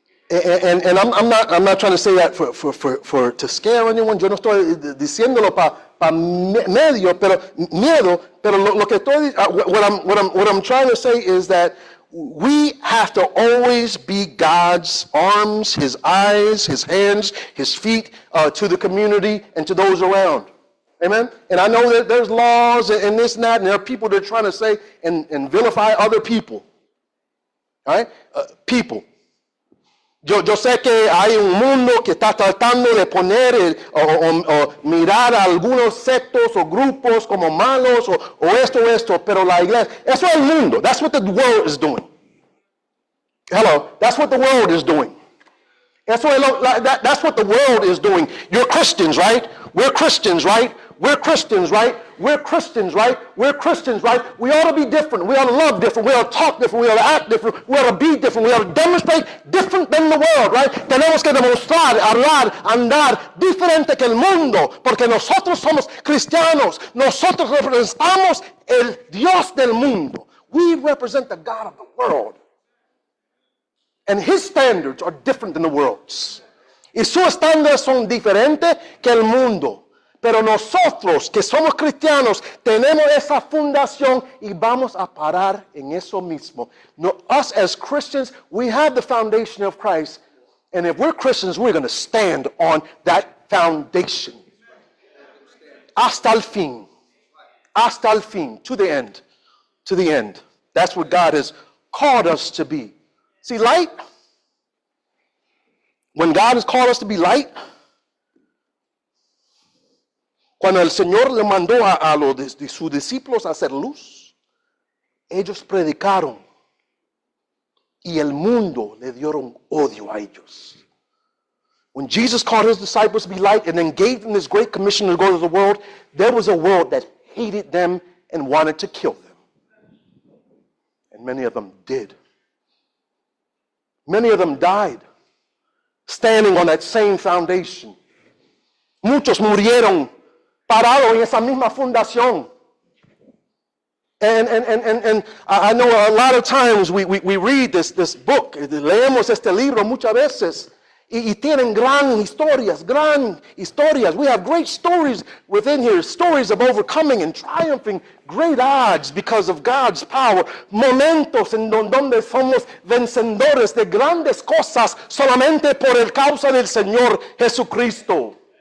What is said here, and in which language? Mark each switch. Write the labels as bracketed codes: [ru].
[en] And I'm not trying to say that for to scare anyone. [es] Yo no estoy diciéndolo para miedo, pero lo que estoy [en] what I'm trying to say is that we have to always be God's arms, His eyes, His hands, His feet to the community and to those around. Amen? And I know that there's laws and this and that, and there are people that are trying to say and vilify other people. Right? People. [es] Yo sé que hay un mundo que está tratando de poner o mirar a algunos sectos o grupos como malos o esto, pero la iglesia, eso es el mundo. [en] That's what the world is doing. Hello? That's what the world is doing. That's what the world is doing. You're Christians, right? We're Christians, right? We're Christians, right? We're Christians, right? We're Christians, right? We ought to be different. We ought to love different. We ought to talk different. We ought to act different. We ought to be different. We ought to demonstrate different than the world, right? [es] Tenemos que demostrar, hablar, andar diferente que el mundo. Porque nosotros somos cristianos. Nosotros representamos el Dios del mundo. [en] We represent the God of the world. And His standards are different than the world's. [es] Y sus estándares son diferentes que el mundo. Pero nosotros que somos cristianos tenemos esa fundación y vamos a parar en eso mismo. [en] No, us as Christians, we have the foundation of Christ. And if we're Christians, we're going to stand on that foundation. [es] Hasta el fin. Hasta el fin. [en] To the end. To the end. That's what God has called us to be. See, light. When God has called us to be light. [es] Cuando el Señor le mandó a los de sus discípulos a hacer luz, ellos predicaron y el mundo le dieron odio a ellos. [en] When Jesus called his disciples to be light and then gave them this great commission to go to the world, there was a world that hated them and wanted to kill them. And many of them did. Many of them died standing on that same foundation. [es] Muchos murieron parados en esa misma fundación. [en] And I know a lot of times we read this book, [es] leemos este libro muchas veces, y tienen gran historias. [en] We have great stories within here, stories of overcoming and triumphing great odds because of God's power. [es] Momentos en donde somos vencedores de grandes cosas solamente por el causa del Señor Jesucristo.